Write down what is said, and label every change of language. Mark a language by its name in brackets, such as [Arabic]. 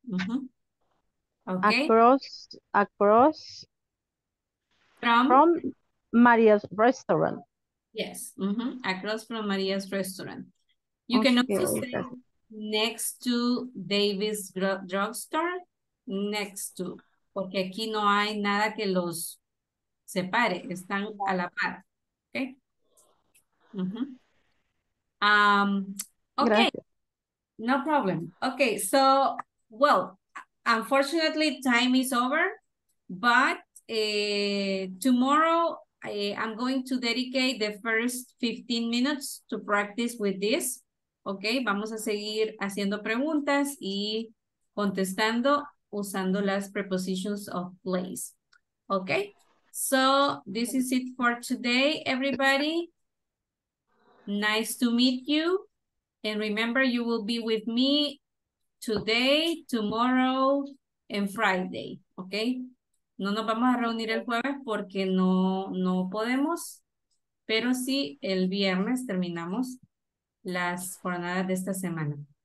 [English] Mm-hmm. Okay. Across from Maria's restaurant. Yes. Mm-hmm. Across from Maria's restaurant. You can also say next to David's drugstore. Next to. [Spanish] Porque aquí no hay nada que los separe. Están a la par. Okay. Mm-hmm. Okay. Gracias. [English] No problem. [Spanish] Okay. [English] So, well, unfortunately, time is over. But tomorrow, I'm going to dedicate the first 15 minutes to practice with this. [Spanish] Okay, vamos a seguir haciendo preguntas y contestando usando las prepositions of place. [English] Okay, so this is it for today, everybody. Nice to meet you. And remember, you will be with me today, tomorrow, and Friday. Okay. [Spanish] No nos vamos a reunir el jueves porque no podemos, pero sí el viernes terminamos las jornadas de esta semana.